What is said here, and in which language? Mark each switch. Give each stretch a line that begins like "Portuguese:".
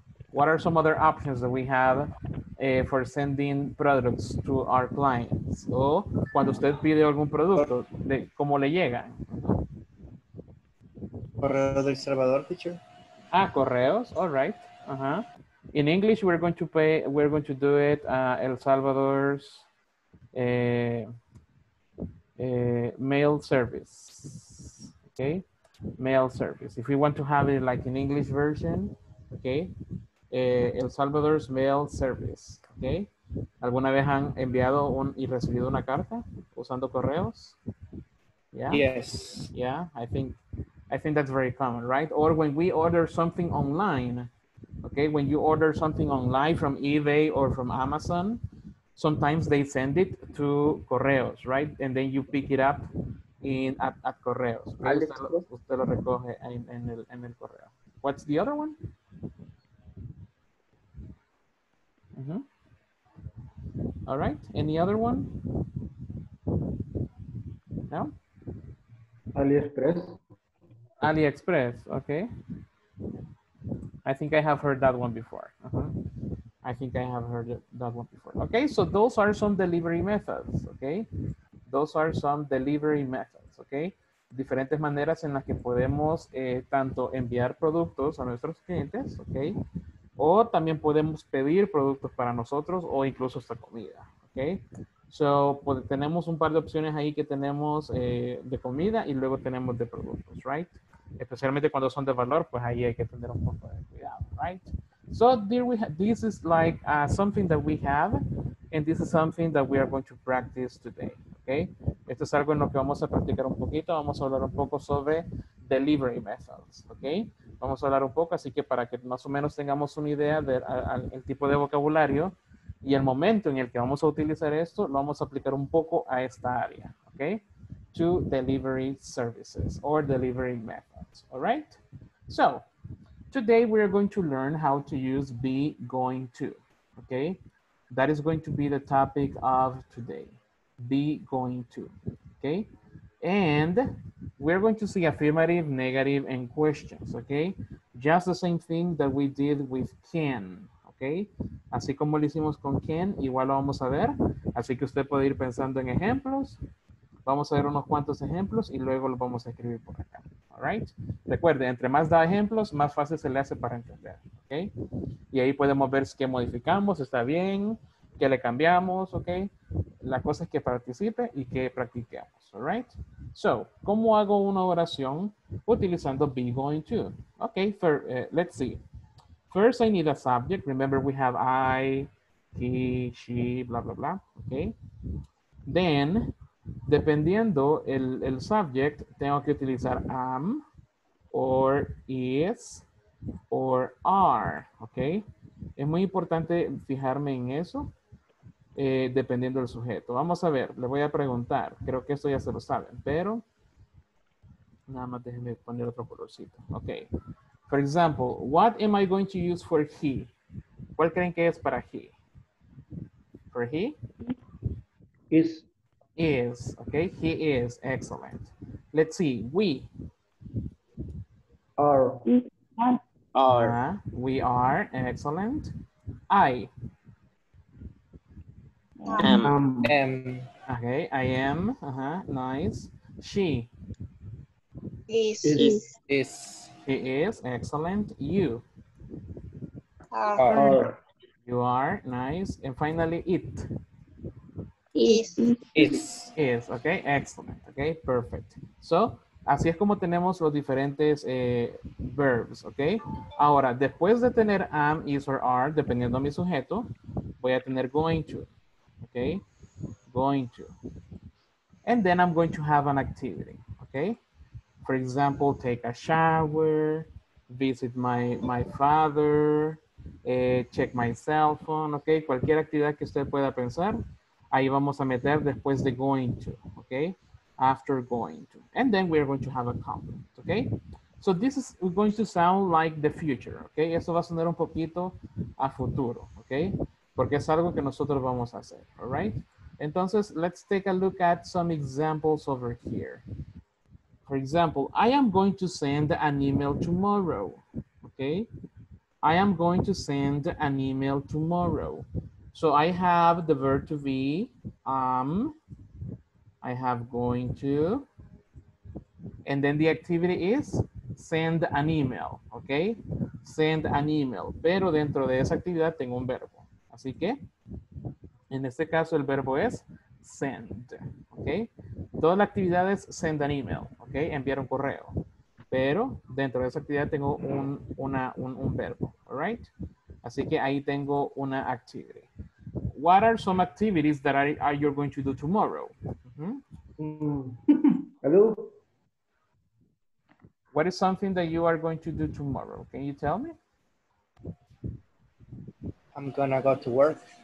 English: What are some other options that we have? For sending products to our clients.
Spanish: O cuando usted pide algún producto, de ¿cómo le llega? Correo del Salvador, teacher.
English: Ah, correos, all right. Uh-huh. In English, we're going to do it El Salvador's mail service. Okay, mail service. If we want to have it like an English version, okay, El Salvador's mail service. Okay.
Spanish: ¿Alguna vez han enviado y recibido una carta usando correos?
English: Yeah. Yes. Yeah, I think that's very common, right? Or when we order something online, okay, when you order something online from eBay or from Amazon, sometimes they send it to correos, right? And then you pick it up at correos. Okay?
Spanish: Usted lo recoge en el correo.
English: What's the other one? Mm-hmm. All right, any other one? No? AliExpress. AliExpress, okay. I think I have heard that one before. Uh-huh. I think I have heard that one before. Okay, so those are some delivery methods, okay? Those are some delivery methods, okay?
Spanish: Diferentes maneras en las que podemos tanto enviar productos a nuestros clientes, okay? O también podemos pedir productos para nosotros o incluso esta comida, ¿ok? So, pues, tenemos un par de opciones ahí que tenemos de comida y luego tenemos de productos, ¿right? Especialmente cuando son de valor, pues ahí hay que tener un poco de cuidado, ¿right?
English: So, there we this is like something that we have and this is something that we are going to practice today, ¿ok?
Spanish: Esto es algo en lo que vamos a practicar un poquito. Vamos a hablar un poco sobre delivery methods, ¿ok? Vamos a hablar un poco, así que para que más o menos tengamos una idea del tipo de vocabulario y el momento en el que vamos a utilizar esto, lo vamos a aplicar un poco a esta área, ¿ok?
English: To delivery services or delivery methods, all right? So, today we are going to learn how to use be going to, ¿ok? That is going to be the topic of today, be going to, ¿ok? And we're going to see affirmative, negative, and questions, okay? Just the same thing that we did with can, okay?
Spanish: Así como lo hicimos con can, igual lo vamos a ver. Así que usted puede ir pensando en ejemplos. Vamos a ver unos cuantos ejemplos y luego los vamos a escribir por acá. Alright? Recuerde, entre más da ejemplos, más fácil se le hace para entender. Okay? Y ahí podemos ver qué modificamos, está bien, qué le cambiamos, okay? La cosa es que participe y que practiquemos. Alright? So, ¿cómo hago una oración utilizando be going to?
English: Okay, for, let's see. First, I need a subject. Remember, we have I, he, she, blah, blah, blah. Okay? Then,
Spanish: dependiendo el
English: subject,
Spanish: tengo que utilizar
English: am, or is, or are, ¿ok?
Spanish: Es muy importante fijarme en eso, dependiendo del sujeto. Vamos a ver, le voy a preguntar, creo que esto ya se lo saben, pero nada más déjenme poner otro colorcito, ¿ok?
English: For example, what am I going to use for he?
Spanish: ¿Cuál creen que es para he?
English: ¿For he? Is. Is, okay, he is, excellent. Let's see, we. Are. Are. We are, excellent. I. Am. Okay, I am, nice. She. Is. He is, excellent. You. Are. You are, nice. And finally, it. Is. Okay, excellent. Okay, perfect.
Spanish: So, así es como tenemos los diferentes verbs, okay? Ahora, después de tener am, is, or are, dependiendo de mi sujeto, voy a tener going to, okay?
English: Going to. And then I'm going to have an activity, okay? For example, take a shower, visit my father, check my cell phone, okay?
Spanish: Cualquier actividad que usted pueda pensar, ahí vamos a meter después de going to, okay?
English: After going to. And then we're going to have a comment, okay? So this is going to sound like the future, okay?
Spanish: Eso va a sonar un poquito a futuro, okay? Porque es algo que nosotros vamos a hacer, all right?
English: Entonces, let's take a look at some examples over here. For example, I am going to send an email tomorrow, okay? I am going to send an email tomorrow. So I have the verb to be, I have going to, and then the activity is send an email, okay? Send an email,
Spanish: pero dentro de esa actividad tengo un verbo. Así que, en este caso el verbo es send, okay? Toda la actividad es send an email, okay? Enviar un correo, pero dentro de esa actividad tengo un verbo, all right? Así que ahí tengo una activity.
English: What are some activities that are you going to do tomorrow? Hello? What is something that you are going to do tomorrow? Can you tell me? I'm gonna go to work.